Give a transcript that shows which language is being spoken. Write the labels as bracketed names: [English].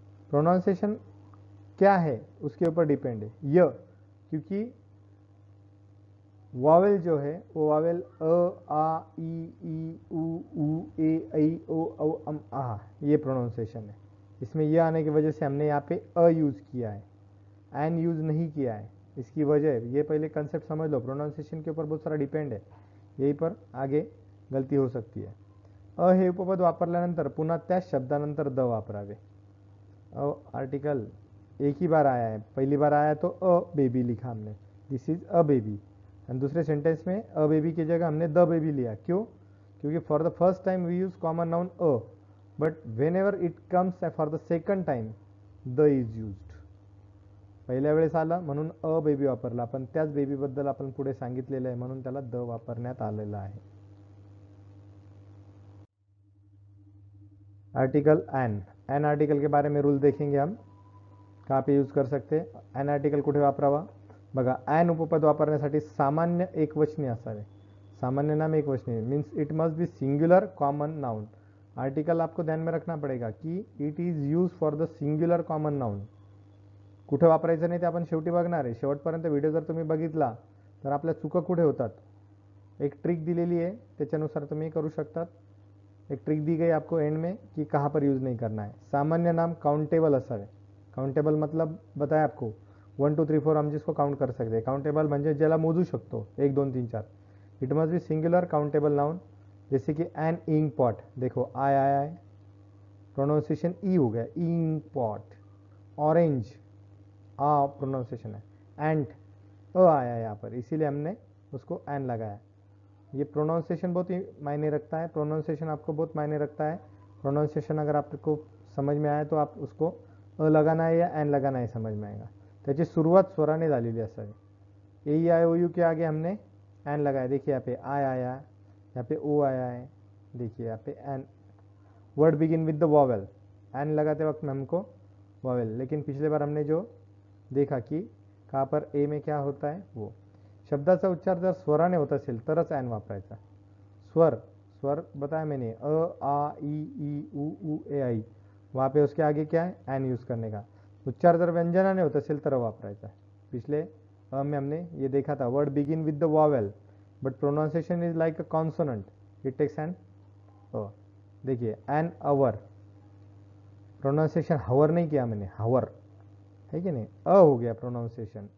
[Hindi] Pronunciation क्या है उसके ऊपर डिपेंड है य, क्योंकि वावेल जो है वो वावेल अ आ ई ई उ ए ई ओ औ अम आ, ये प्रोनाउंसिएशन है। इसमें यह आने की वजह से हमने यहाँ पे अ यूज किया है, एन यूज नहीं किया है। इसकी वजह है, ये पहले कंसेप्ट समझ लो, प्रोनाउंसिएशन के ऊपर बहुत सारा डिपेंड है, यही पर आगे गलती हो सकती है। [Marathi] अ हे उपपद वापरल्यानंतर पुन्हा त्या शब्दानंतर द वापरावे। [Hindi] अ आर्टिकल एक ही बार आया है, पहली बार आया तो अ बेबी लिखा हमने, [English] this is a baby, [Hindi] and दूसरे सेंटेंस में अ बेबी की जगह हमने द बेबी लिया। [English] क्यों, क्योंकि for the first time we use common noun a, but whenever it comes for the second time the is use. [Marathi] पहिल्या वेळेस आला म्हणून अ बेबी वापरला, पण त्याच बेबीबद्दल आपण पुढे सांगितलेलं आहे म्हणून त्याला द वापरण्यात आलेलं आहे। [Hindi] आर्टिकल एन, एन आर्टिकल के बारे में रूल देखेंगे हम, कहाँ पे यूज कर सकते एन आर्टिकल, कुठे वापरावा। [Marathi] बघा एन उपपद वापरण्यासाठी सामान्य एकवचनी असावे। सामान्य नाम एकवचनी [English] Means it must be singular common noun. [Hindi] Article आपको ध्यान में रखना पड़ेगा कि [English] it is use for the singular common noun, [Marathi] कुठे वापरायचं नाही ते आपण शेवटी बघणार आहे. शेवटपर्यंत व्हिडिओ जर तुम्ही बघितला तर आपल्या चुका कुठे होतात, एक ट्रिक दिलेली आहे त्याच्यानुसार तुम्ही करू शकतात. [Hindi] एक ट्रिक दी गई आपको एंड में कि कहाँ पर यूज नहीं करना है. [Marathi] सामान्य नाम काउंटेबल असावे. [Hindi] काउंटेबल मतलब बताया आपको, 1 2 3 4 हम जिसको काउंट कर सकते हैं. [Marathi] काउंटेबल म्हणजे ज्याला मोजू शकतो, 1 2 3 4. [English] It must be singular countable noun. [Hindi] जैसे कि एन इंक पॉट, देखो आय आय आय, प्रोनाउंसिएशन ई हो गया, इंक पॉट. ऑरेंज आ प्रोनाउंसिएशन है, एंट अ आया यहाँ पर, इसीलिए हमने उसको एन लगाया. ये प्रोनाउंसिएशन बहुत ही मायने रखता है, प्रोनाउंसिएशन आपको बहुत मायने रखता है. प्रोनाउंसिएशन अगर आपको समझ में आए तो आप उसको अ लगाना है या एन लगाना है समझ में आएगा. [Marathi] त्याची सुरुवात स्वराने झालेली असावी. [Hindi] ए आय ओ यू के आगे हमने एन लगाया. देखिए यहाँ पे आय आया, यहाँ पे ओ आया है, देखिए यहाँ पे N. [English] word begin with the vowel, [Hindi] N लगाते वक्त में हमको वॉवल. लेकिन पिछले बार हमने जो देखा कि कहाँ पर ए में क्या होता है, वो [Marathi] शब्दाचा उच्चार जर स्वराने होत असेल तरच एन वापरायचा. [Hindi] स्वर स्वर बताया मैंने, अ आ ई उ ए आई, वहाँ पे उसके आगे क्या है, एन यूज करने का. [Marathi] उच्चार जर व्यंजनाने होत असेल तर वापरायचा. [Hindi] पिछले अ में हमने ये देखा था, [English] Word begin with the vowel but pronunciation is like a consonant, it takes an a. [Hindi] देखिए एन अवर, प्रोनाउंसिएशन हवर नहीं किया मैंने, हवर है कि नहीं, अ हो गया प्रोनाउंसिएशन.